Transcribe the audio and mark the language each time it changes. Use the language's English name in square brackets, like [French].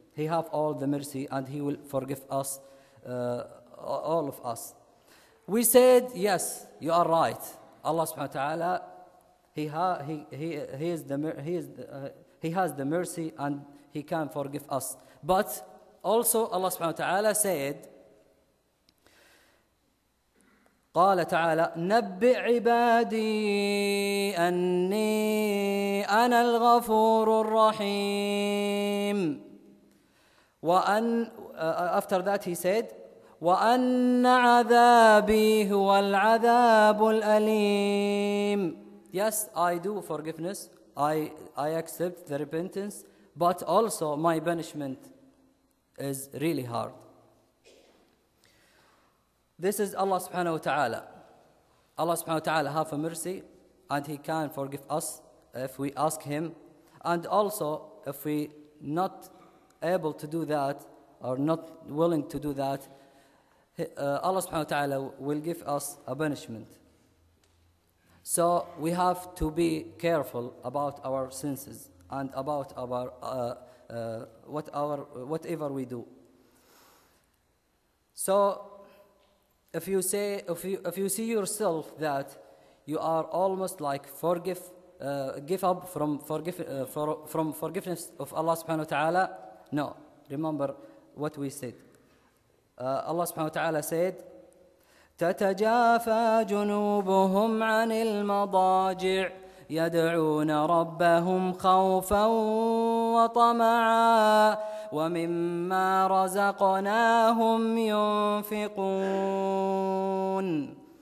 [English] He have all the mercy and he will forgive us, all of us. We said, yes, you are right. Allah subhanahu wa ta'ala, he has the mercy and he can forgive us. But also Allah subhanahu wa ta'ala said, [Arabic] قال تعالى نبئ عبادي أني أنا الغفور الرحيم وأن [English] after that he said [Arabic] وأن عذابي هو العذاب الأليم. [English] Yes, I do forgiveness. I accept the repentance, but also my punishment is really hard. This is Allah subhanahu wa ta'ala. Allah subhanahu wa ta'ala have a mercy and he can forgive us if we ask him. And also if we not able to do that or not willing to do that, Allah subhanahu wa ta'ala will give us a punishment. So we have to be careful about our senses and about our whatever we do. So if you say if you see yourself that you are almost like give up from forgiveness of Allah subhanahu wa ta'ala, no, remember what we said. Allah subhanahu wa ta'ala said [Arabic] تتجافى جنوبهم عن المضاجع يدعون ربهم خوفا وطمعا ومما رزقناهم ينفقون.